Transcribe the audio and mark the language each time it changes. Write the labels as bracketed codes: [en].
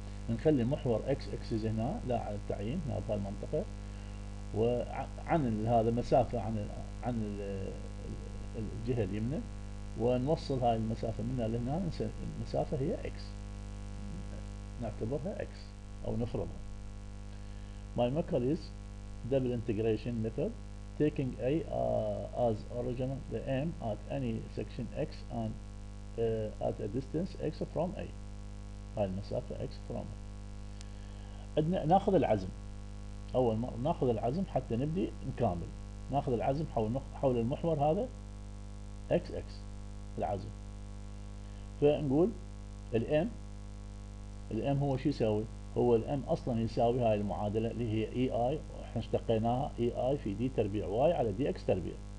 [ar] نخلي محور اكس اكسس هنا لا على التعيين هنا في المنطقة، وعن هذا مسافة عن الجهة اليمنى، ونوصل هاي المسافة منها لهنا المسافة هي اكس، نعتبرها اكس او نفرضها. [en] My method is double integration method taking a as origin the aim at any section x and at a distance x from a. [ar] هاي المسافة [en] x from a. [ar] ناخذ العزم اول مرة، ناخذ العزم حتى نبدي نكامل، ناخذ العزم حول المحور هذا xx العزم. فنقول الام، الام هو شو يساوي؟ هو الام اصلا يساوي هاي المعادلة اللي هي اي اي، احنا اشتقيناها اي اي في دي تربيع واي على دي اكس تربيع.